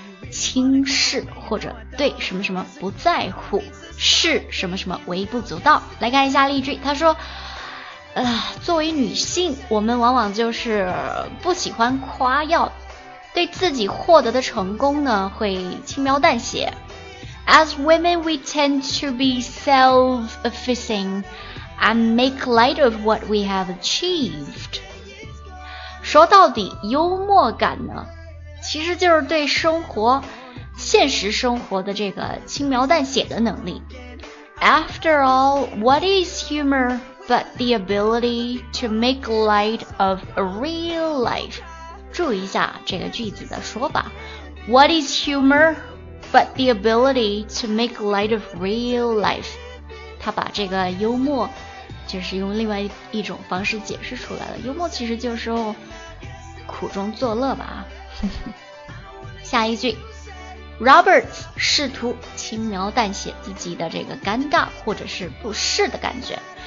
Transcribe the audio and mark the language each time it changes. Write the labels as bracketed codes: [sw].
[zh] 轻视或者对什么什么不在乎，视什么什么微不足道。来看一下例句，他说作为女性我们往往就是不喜欢夸耀，对自己获得的成功呢会轻描淡写。 [en] As women, we tend to be self-effacing and make light of what we have achieved. [zh] 说到底，幽默感呢，其实就是对生活、现实生活的这个轻描淡写的能力。 [en] After all, what is humor but the ability to make light of a real life? [zh] 注意一下这个句子的说法。 [en] What is humor? but the ability to make light of real life. [zh] 他把这个幽默就是用另外一种方式解释出来了。幽默其实就是苦中作乐吧。下一句， Roberts 试图轻描淡写自己的这个尴尬或者是不适的感觉。